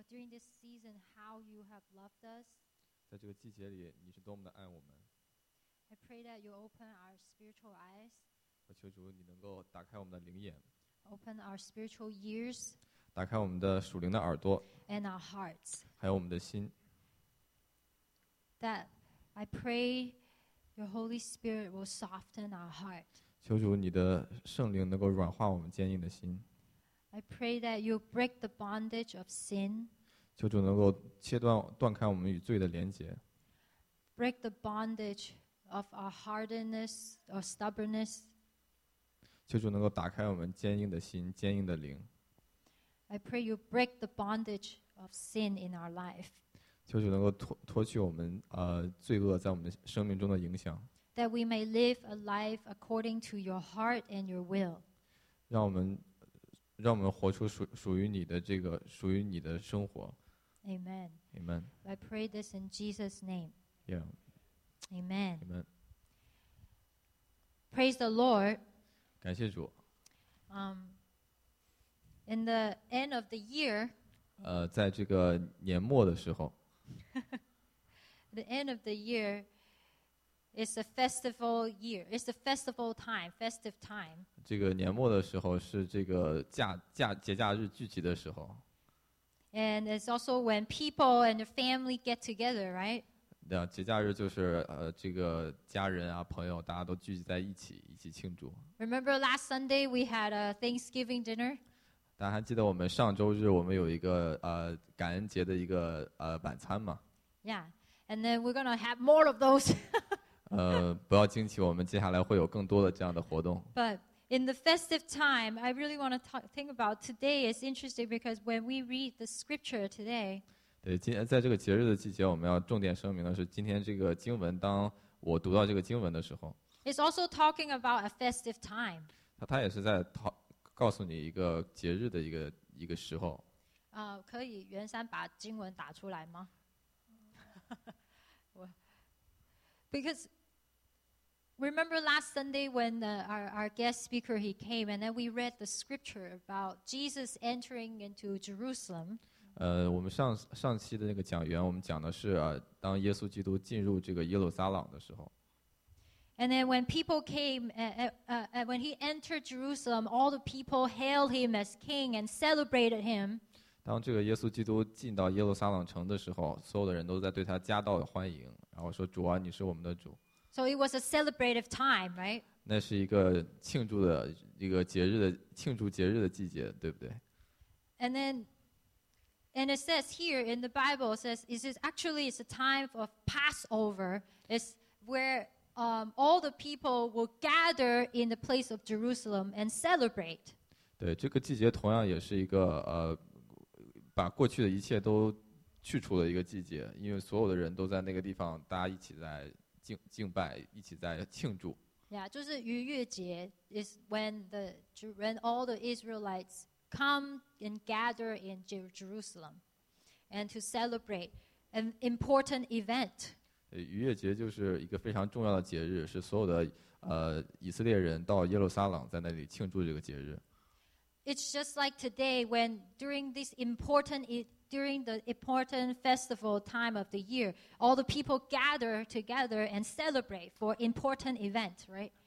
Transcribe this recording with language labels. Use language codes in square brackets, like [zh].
[en] during this season how you have loved us. [zh] 在这个季节里，你是多么的爱我们。 [en] I pray that you open our spiritual eyes. [zh] 我求主，你能够打开我们的灵眼。 [en] Open our spiritual ears. [zh] 打开我们的属灵的耳朵。 [en] And our hearts. [zh] 还有我们的心。 [en] That I pray your Holy Spirit will soften our heart. [zh] 求主，你的圣灵能够软化我们坚硬的心。 [en] I pray that you break the bondage of sin. [zh] 求主能够切断断开我们与罪的连结。 [en] Break the bondage of our hardness or stubbornness. [zh] 求主能够打开我们坚硬的心，坚硬的灵。 [en] I pray you break the bondage of sin in our life. [zh] 求主能够脱去我们罪恶在我们生命中的影响。 [en] That we may live a life according to your heart and your will. [zh] 让我们活出属于你的这个属于你的生活。 [en] Amen. Amen. I pray this in Jesus' name. Yeah. Amen. Amen. Praise the Lord. [zh] 感谢主。 [en] In the end of the year. [zh] 在这个年末的时候。 [en] The end of the year is a festival year. It's a festival time. Festive time. [zh] 这个年末的时候是这个节假日聚集的时候。 [en] And it's also when people and their family get together, right? [zh] 对啊，节假日就是这个家人啊朋友大家都聚集在一起庆祝。 [en] Remember last Sunday we had a Thanksgiving dinner? [zh] 大家还记得我们上周日我们有一个感恩节的一个晚餐吗？ [en] Yeah, and then we're gonna have more of those. [zh] 不要惊奇，我们接下来会有更多的这样的活动。 [en] But in the festive time, I really want to think about today is interesting because when we read the scripture today. [zh] 对，今在这个节日的季节，我们要重点声明的是，今天这个经文，当我读到这个经文的时候 [en] ，It's also talking about a festive time. [zh] 它也是在告诉你一个节日的一个时候。可以袁山把经文打出来吗？ [en] Because remember last Sunday when our guest speaker he came and then we read the scripture about Jesus entering into Jerusalem. [zh] 我们上期的那个讲员，我们讲的是当耶稣基督进入这个耶路撒冷的时候。 [en] And then when people came, when he entered Jerusalem, all the people hailed him as king and celebrated him. [zh] 当这个耶稣基督进到耶路撒冷城的时候，所有的人都在对他夹道欢迎。然后说主啊，你是我们的主。 [en] So it was a celebrative time, right? [zh] 那是一个庆祝的一个节日的庆祝节日的季节，对不对 [en] ？And then, and it says here in the Bible says it is actually it's a time of Passover. It's where all the people will gather in the place of Jerusalem and celebrate. [zh] 对，这个季节同样也是一个把过去的一切都。去除了一个季节，因为所有的人都在那个地方，大家一起在敬拜，一起在庆祝。 [en] Yeah, [zh] 就是逾越节 [en] is when all the Israelites come and gather in Jerusalem, and to celebrate an important event. [zh] 逾越节就是一个非常重要的节日，是所有的以色列人到耶路撒冷在那里庆祝这个节日。 [en] It's just like today when during this important during the important festival time of the year, all the people gather together and celebrate for important events, right?